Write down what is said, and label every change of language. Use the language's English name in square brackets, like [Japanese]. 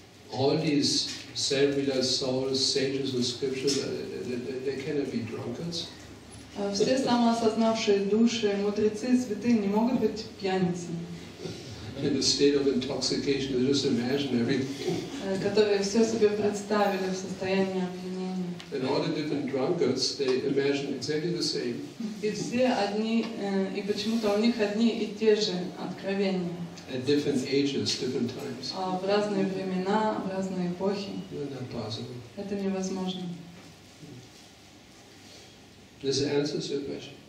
[English] All these self-realized souls, sages and scriptures, they cannot be drunkards. [Russian] Все самоосознавшие души, мудрецы, святые не могут быть пьяницами. [English] In the state of intoxication, they just imagine everything. [Russian] Которые все себе представили в состоянии опьянения. [English] And all the different drunkards, they imagine exactly the same. [Russian] И все одни, и почему-то у них одни и те же откровения. [English] At different ages, different times. [Russian] В разные времена, в разные эпохи. Это невозможно. [English] This answers your question.